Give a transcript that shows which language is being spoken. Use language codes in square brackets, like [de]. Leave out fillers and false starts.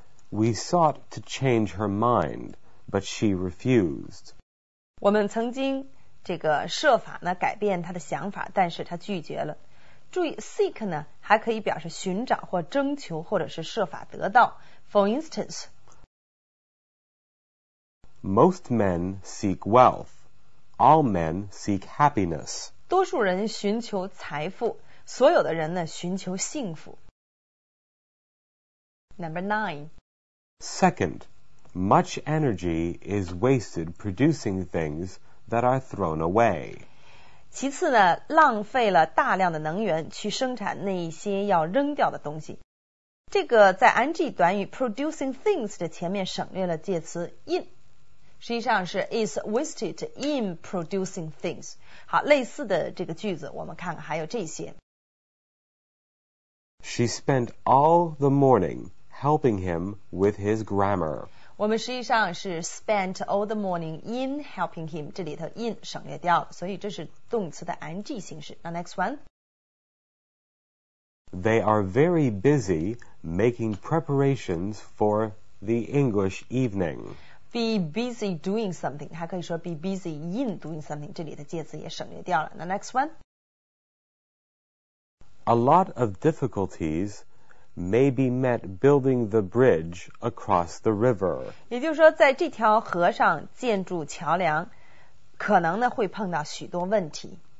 [en] we sought to change her mind, but she refused. [zh] 我们曾经这个设法呢改变他的想法，但是他拒绝了。注意 seek 呢还可以表示寻找或征求，或者是设法得到。 [en] For instance, most men seek wealth. All men seek happiness. [zh] 多数人寻求财富，所有的人呢寻求幸福。 [en] Number nine. Second, much energy is wasted producing things that are thrown away. [zh] 其次呢，浪费了大量的能源去生产那些要扔掉的东西。这个在 ing 短语 [en] producing things [zh] 的前面省略了介词 in。实际上是 [en] is wasted in producing things. [zh] 好，类似的这个句子我们看看还有这些。 [en] She spent all the morning helping him with his grammar. [zh] 我们实际上是 [en] spent all the morning in helping him, [zh] 这里头 in 省略掉了，所以这是动词的 ing 形式。 [en] Now next one. They are very busy making preparations for the English evening. Be busy doing something, [zh] 还可以说 [en] be busy in doing something, [zh] 这里的介词也省略掉了。 [en] Now next one. A lot of difficulties may be met building the bridge across the river. [zh] 也就是说在这条河上建筑桥梁可能呢会碰到许多问题。